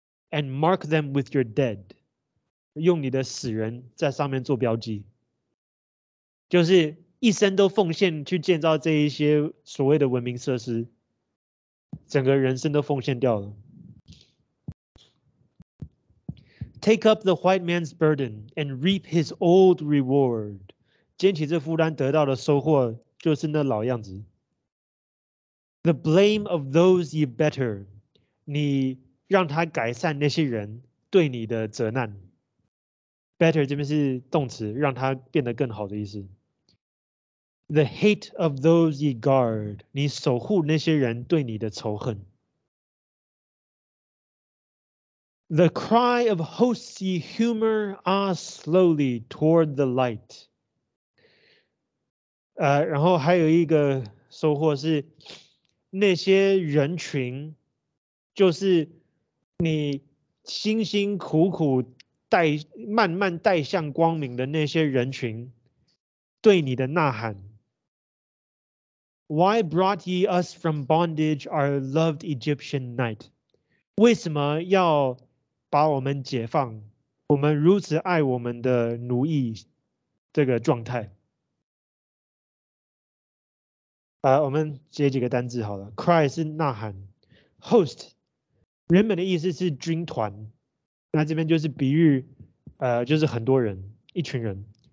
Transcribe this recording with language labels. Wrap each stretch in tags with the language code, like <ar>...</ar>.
<en>And mark them with your dead，</en> <zh>用你的死人在上面做标记。就是一生都奉献去建造这一些所谓的文明设施，整个人生都奉献掉了。</zh> <en>Take up the white man's burden and reap his old reward.</en> <zh>肩起这负担得到的收获就是那老样子。</zh> <en>The blame of those ye better.</en> <zh>你让他改善那些人对你的责难。 Better 这边是动词，让他变得更好的意思。</zh> <en>The hate of those ye guard.</en> <zh>你守护那些人对你的仇恨。</zh> <en>The cry of hosts ye humor, ah, slowly toward the light.</en> <zh>然后还有一个收获是，那些人群，就是你辛辛苦苦慢慢带向光明的那些人群，对你的呐喊。</zh> <en>Why brought ye us from bondage, our loved Egyptian night?</en> <zh>为什么要把我们解放，我们如此爱我们的奴役这个状态。我们接几个单字好了。Cry 是呐喊。 Host 原本的意思是军团，那这边就是比喻就是很多人，一群人。</zh>